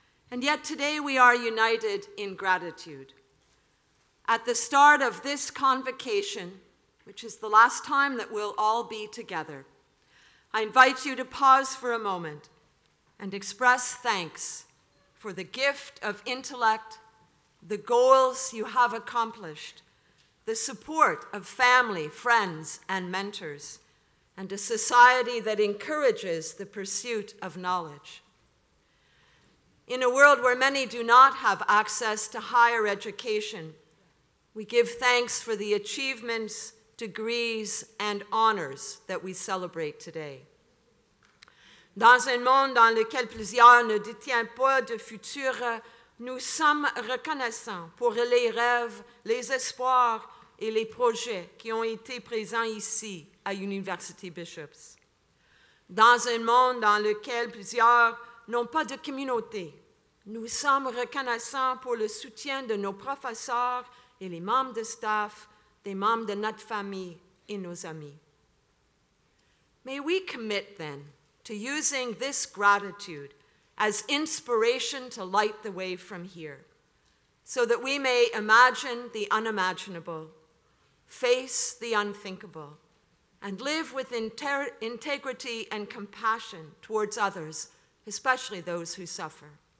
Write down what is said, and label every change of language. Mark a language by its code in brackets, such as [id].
[en] And yet today we are united in gratitude. At the start of this convocation, which is the last time that we'll all be together, I invite you to pause for a moment and express thanks for the gift of intellect, the goals you have accomplished, the support of family, friends, and mentors, and a society that encourages the pursuit of knowledge. In a world where many do not have access to higher education, we give thanks for the achievements, degrees, and honors that we celebrate today. [fr] Dans un monde dans lequel plusieurs ne détient pas de futur, nous sommes reconnaissants pour les rêves, les espoirs et les projets qui ont été présents ici à University Bishops. Dans un monde dans lequel plusieurs n'ont pas de communauté, nous sommes reconnaissants pour le soutien de nos professeurs et les membres de staff, des membres de notre famille et nos amis. [en] May we commit then to using this gratitude as inspiration to light the way from here, so that we may imagine the unimaginable, face the unthinkable, and live with integrity and compassion towards others, especially those who suffer.